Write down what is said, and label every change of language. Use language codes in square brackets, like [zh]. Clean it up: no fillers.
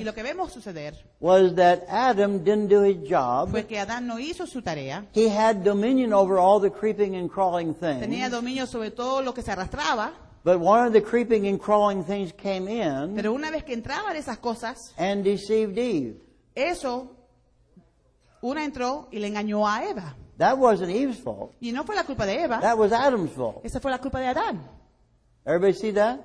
[es] Y lo que vemos suceder. [en] Was that Adam didn't do his job. [es] Fue que Adán no hizo su tarea. [en] He had dominion over all the creeping and crawling things. [es] Tenía dominio sobre todo lo que se arrastraba. [en] But one of the creeping and crawling things came in. [es] Pero una vez que entraban esas cosas. [en] And deceived Eve. [es] Eso. Una entró y le engañó a Eva. [en] That wasn't Eve's fault. [es] Y no fue la culpa de Eva. [en] That was Adam's fault. [es] Esa fue la culpa de Adán. [en] Everybody see that?